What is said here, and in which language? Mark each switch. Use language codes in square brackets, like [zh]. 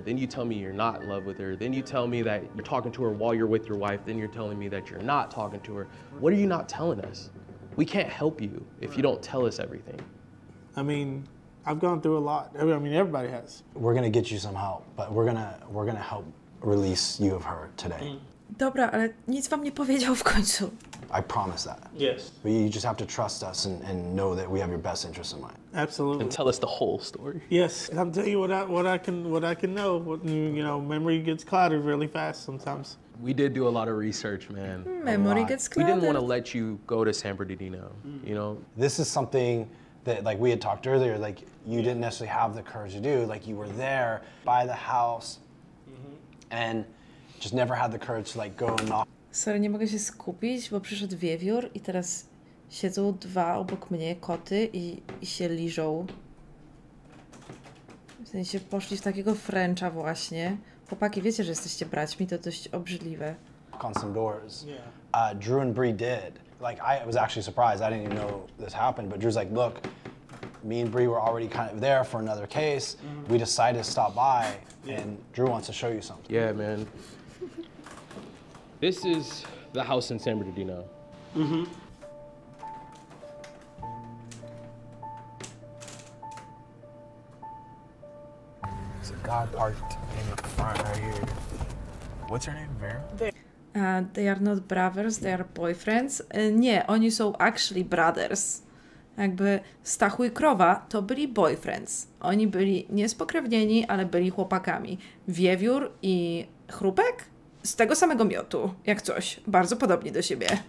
[en] Then you tell me you're not in love with her. Then you tell me that you're talking to her while you're with your wife. Then you're telling me that you're not talking to her. What are you not telling us? We can't help you if you don't tell us everything. I mean, I've gone through a lot. I mean, everybody has. We're gonna get you some help, but we're gonna help release you of her today. [pl] Dobra, ale nic wam nie powiedział w końcu. [en] I promise that. Yes. But you just have to trust us and know that we have your best interests in mind. Absolutely. And tell us the whole story. Yes, and I'll tell you what I can know. What, you know, memory gets clouded really fast sometimes. We did do a lot of research, man. Memory gets clouded. We didn't want to let you go to San Bernardino, you know? This is something that, like, we had talked earlier, like, you didn't necessarily have the courage to do. Like, you were there by the house and just never had the courage to, like, go and knock. [pl] Sorry, nie mogę się skupić, bo przyszedł wiewiór i teraz siedzą dwa obok mnie koty i się liżą. W sensie poszli w takiego Frencha właśnie. Chłopaki, wiecie, że jesteście braćmi, to dość obrzydliwe. [en] On some doors. Yeah. Drew and Bree did. Like, I was actually surprised. I didn't even know this happened, but Drew's like, look, me and Bree were already kind of there for another case. Mm-hmm. We decided to stop by, and Drew wants to show you something. Yeah, man. This is the house in San Bernardino. Mm-hmm. There's a guy parked in the front right here. What's her name, Vera? They are not brothers, they are boyfriends. [pl] Nie, oni są [en] actually brothers. [pl] Jakby Stachu i Krowa to byli boyfriends. Oni byli niespokrewnieni, ale byli chłopakami. Wiewiór i Chrupek? Z tego samego miotu, jak coś. Bardzo podobni do siebie.